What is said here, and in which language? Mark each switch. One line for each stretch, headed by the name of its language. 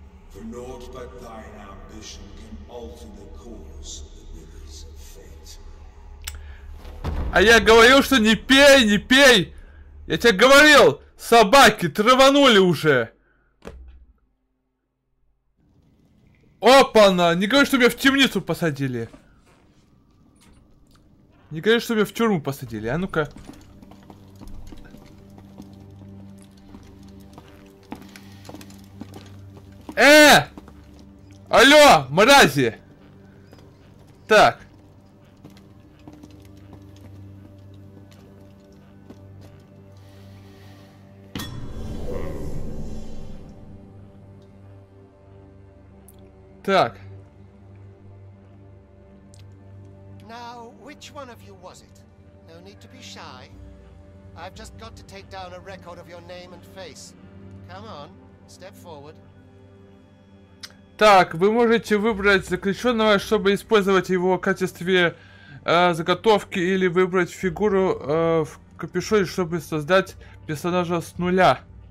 English: for naught but thine ambition can alter the course of the rivers of fate.
Russian: А я говорил, что не пей, не пей! Я тебе говорил, собаки траванули уже! Опа-на! Не говори, что меня в темницу посадили! Не говори, что меня в тюрьму посадили, а ну-ка! Алло, мрази! Так. Так.
English: Now, which one of you was it? No need to be shy. I've just got to take down a record of your name and face. Come on, step forward.
Russian: Так, вы можете выбрать заключенного, чтобы использовать его в качестве заготовки, или выбрать фигуру в капюшоне, чтобы создать персонажа с нуля.